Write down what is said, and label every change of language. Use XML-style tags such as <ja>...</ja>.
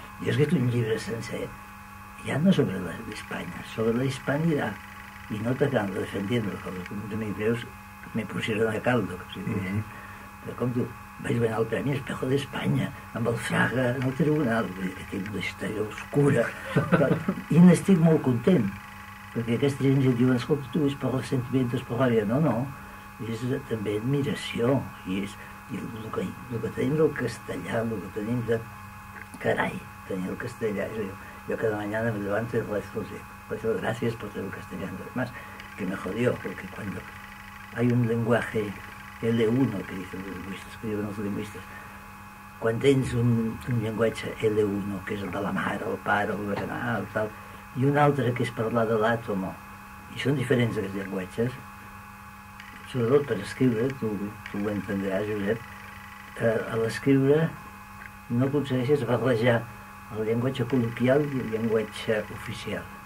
<ca>Jo és que tinc un llibre sencer, ja no sobre l'Espanya, sobre la Hispanidad, i no tancant-la, defendent-la, com els amics meus m'he posat a caldo, o sigui, però com tu, vaig guanyar el Premi Espejo d'Espanya, amb el Fraga, en el tribunal, que tinc una història oscura, i n'estic molt content, perquè aquesta gent ja diu, escolta, tu, és per els sentiments, per l'àrea, no, no, és també admiració, i el que tenim del castellà, el que tenim de... carai, tenir el castellà, és a dir,</ca> <es>jo cada mañana me levanto y rezo, gracias por tener el castellano, además, que me jodió, porque cuando... hay un lenguaje L1 que dicen los lingüistas,</es> <ca>que diuen els lingüistes. Quan tens un llenguatge L1, que és el de la mar, el par, el berenar, tal, i un altre que és parlar de l'àtomo, i són diferents aquests llenguatges, sobretot per escriure, tu ho entendràs, Josep, a l'escriure no aconsegueixes barrejar el llenguatge col·loquial i el llenguatge oficial.</ca>